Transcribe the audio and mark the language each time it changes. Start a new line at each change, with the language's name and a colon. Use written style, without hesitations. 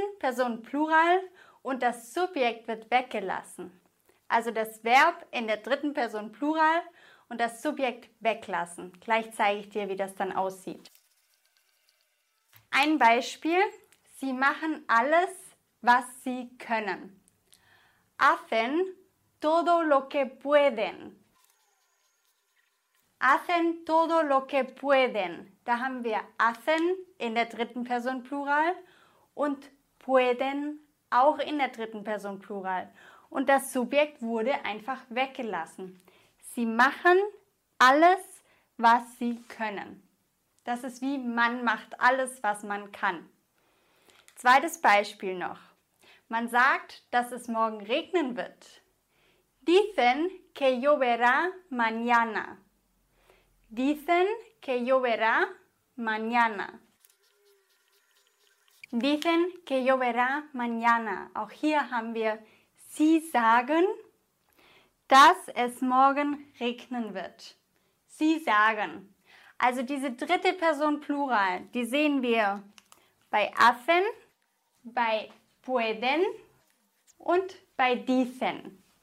German: Person Plural und das Subjekt wird weggelassen. Also das Verb in der 3. Person Plural und das Subjekt weglassen. Gleich zeige ich dir, wie das dann aussieht. Ein Beispiel. Sie machen alles, was sie können.
Spanish: Hacen todo lo que pueden. Hacen todo lo que pueden.
German: Da haben wir hacen in der 3. Person Plural und pueden auch in der 3. Person Plural. Und das Subjekt wurde einfach weggelassen. Sie machen alles, was sie können. Das ist wie man macht alles, was man kann. 2. Beispiel noch. Man sagt, dass es morgen regnen wird.
Spanish: Dicen que lloverá mañana. Dicen que lloverá mañana. Dicen que lloverá mañana.
German: Auch hier haben wir, sie sagen, dass es morgen regnen wird. Sie sagen. Also diese 3. Person Plural, die sehen wir bei hacen, bei pueden und bei dicen.